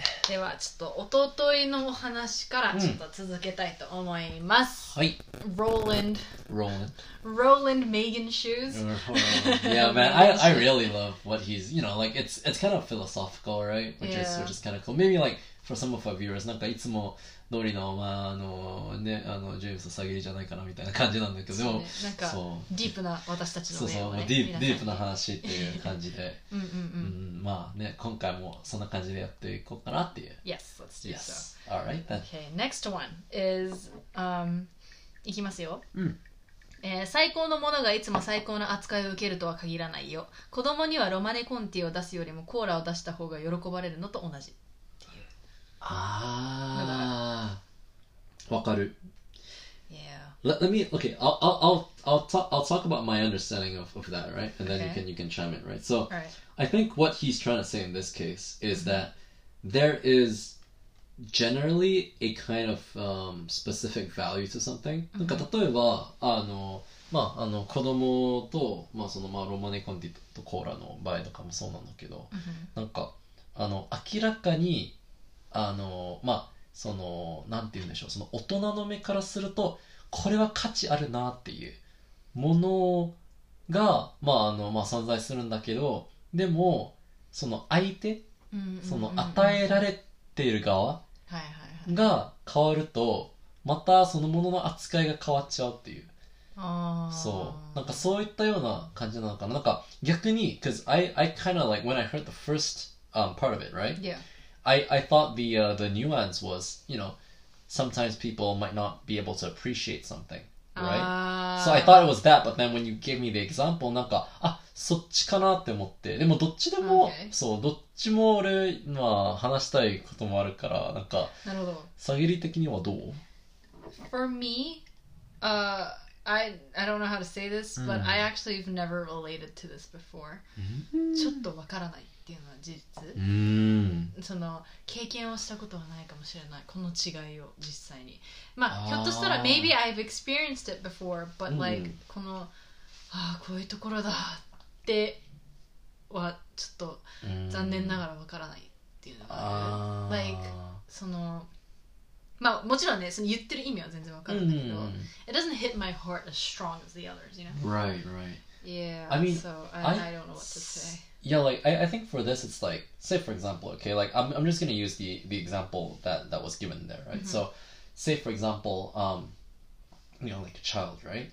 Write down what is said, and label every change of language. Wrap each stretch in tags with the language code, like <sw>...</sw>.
<ja>では、ちょっと、おとといのお話から、ちょっと続けたいと思います。はい。</ja> <en>Roland Megan Shoes. Yeah, man, I really love what he's, you know, like, it's kind of philosophical, right? Which is kind of cool. Maybe, like, for some of our viewers,</en> <ja>なんかいつも、通りの、まあ、ジェームス・サゲイじゃないかなみたいな感じなんだけど、そう、ね、なんかそうディープな私たちの目を、ね、そうそう、ディープな話っていう感じでうんうん、うんうん、まあね、今回もそんな感じでやっていこうかなっていう。</ja> <en>Yes, let's do so. All right, then. Okay, next one is、</en> <ja>いきますよ、うん、最高のものがいつも最高の扱いを受けるとは限らないよ。子供にはロマネコンティを出すよりもコーラを出した方が喜ばれるのと同じ。わかる。</ja> <en>Yeah. Let me talk about my understanding of that, right? And then、okay. you can chime in, right? So, right. I think what he's trying to say in this case is、mm-hmm. that there is generally a kind of、specific value to something.、 Mm-hmm.</en> <ja>なんか例えば、子供と、まあそのまあ、ロマネコンティとコーラの場合とかもそうなんだけど、 mm-hmm. なんか明らかにまあそのなんて言うんでしょう、その大人の目からするとこれは価値あるなっていうものが、まあまあ、存在するんだけど、でもその相手、うんうんうんうん、その与えられている側が変わると、はいはいはい、またそのものの扱いが変わっちゃうっていう、あ、そう、なんかそういったような感じなのかな。なんか逆に</ja> <en>Cause I kind of like when I heard the first、part of it, right? Yeah. I thought the nuance was, you know, sometimes people might not be able to appreciate something, right? So I thought it was that, but then when you gave me the example,</en> <ja>なんか、あ、そっちかなって思って。でもどっちでも、</ja> <en>okay.</en> <ja>そう、どっちも俺、まあ、話したいこともあるから、なんか、なるほど。下げり的にはどう？</ja> <en>For me, I don't know how to say this, but、</en> <ja>うん、</ja> <en>I actually have never related to this before.</en> <ja>ちょっとわからない。っていうのは事実、うん、その経験をしたことはないかもしれない、この違いを実際に、まあ、ひょっとしたら</ja> <en>maybe I've experienced it before but like、</en> <ja>うん、このあこういうところだってはちょっと残念ながらわからないっていうのが、うん、 like そのまあもちろんね、その言ってる意味は全然わかるんだけど、うん、</ja> <en>it doesn't hit my heart as strong as the others, you know? Right, right. Yeah, I mean, so I don't know what to say. Yeah, like, I think for this, it's like, say for example, okay, like, I'm just gonna use the example that was given there, right?、 Mm-hmm. So, say for example, you know, like a child, right?</en>